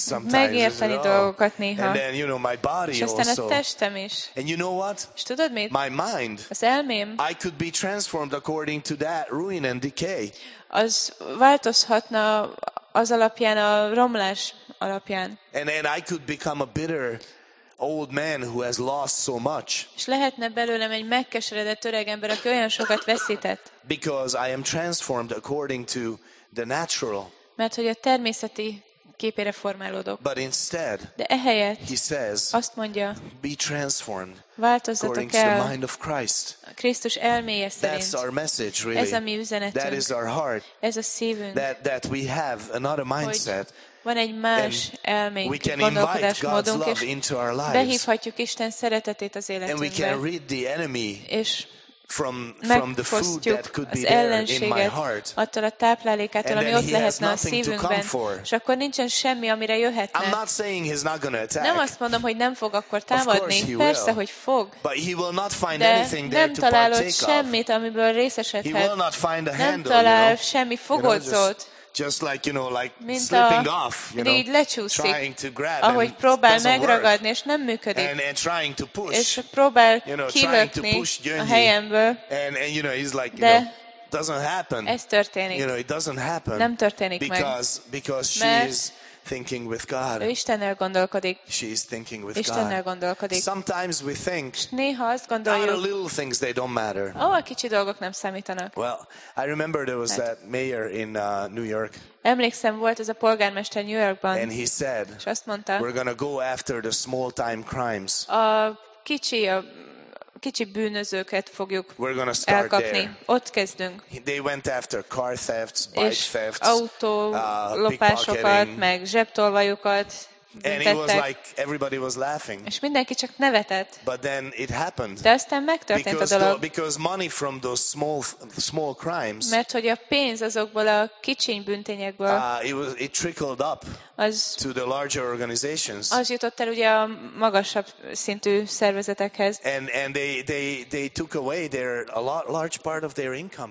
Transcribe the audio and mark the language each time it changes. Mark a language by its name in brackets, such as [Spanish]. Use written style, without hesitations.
[Hungarian] Megérteni dolgokat néha. És aztán a testem is. [English] And you know what? [Hungarian] És tudod mit? [English] My mind. [Hungarian] Az elmém. [English] I could be transformed according to that ruin and decay. [Hungarian] Az változhatna az alapján, a romlás alapján. [English] And I could become a bitter old man who has lost so much. [Hungarian] És lehetne belőlem egy megkeseredett öreg ember, aki olyan sokat veszített. [English] Because I am transformed according to the natural. [Hungarian] Mert hogy a természeti képére formálódok. [English] But instead, [Hungarian] de ehelyett, [English] he says, [Hungarian] azt mondja, [English] be transformed. [Hungarian] Változzatok [English] el the mind of Christ. [Hungarian] Krisztus elméje szerint. [English] That's our message, really. [Hungarian] Ez a mi üzenetünk. [English] That is our heart. [Hungarian] Ez a szívünk. [English] That we have another mindset. [Hungarian] Van egy más elménk, gondolkodásmódunk, és behívhatjuk Isten szeretetét az életünkbe. És megfosztjuk az ellenséget attól a táplálékától, ami ott lehetne a szívünkben, és akkor nincsen semmi, amire jöhetne. Nem azt mondom, hogy nem fog akkor támadni, persze, hogy fog, de nem találod semmit, amiből részesedhet. Nem talál semmi fogodzót. [English] Just like, you know, like slipping off, you know, trying to grab, [Hungarian] ahogy próbál megragadni, és nem működik. [English] And trying to push, [Hungarian] és próbál, [English] you know, trying to push [Hungarian] a helyemből. [English] And you know, he's like, you know, doesn't happen. [Hungarian] Ez történik. [English] You know, it doesn't happen. [Hungarian] Nem történik meg. [English] Because she is thinking with God. [Hungarian] Ő Istennel gondolkodik. [English] She is thinking with [Hungarian] Istennel [English] God. [Hungarian] Gondolkodik. [English] Sometimes we think. [Hungarian] Néha azt gondoljuk. [English] Our little things, they don't matter. [Hungarian] A kicsi dolgok nem számítanak. [English] Well, I remember there was that mayor in New York. [Hungarian] Emlékszem, volt ez a polgármester New Yorkban. [English] And he said. [Hungarian] És azt mondta. [English] We're gonna go after the small time crimes. [Hungarian] A kicsi bűnözőket fogjuk elkapni. [English] There. [Hungarian] Ott kezdünk. [English] They went after car thefts, bike [Hungarian] és [English] thefts, [Hungarian] autó lopásokat, meg zsebtolvajukat. [English] And it was like everybody was laughing. [Hungarian] És mindenki csak nevetett. [English] But then it happened. [Hungarian] De aztán megtörtént [English] because [Hungarian] a dolog. [English] Because money from those small crimes. [Hungarian] Mert hogy a pénz azokból a kicsi bűntényekből. [English] It trickled up. [Hungarian] Az [English] to the larger organizations. [Hungarian] Az jutott el ugye a magasabb szintű szervezetekhez. [English] And they took away their a lot large part of their income.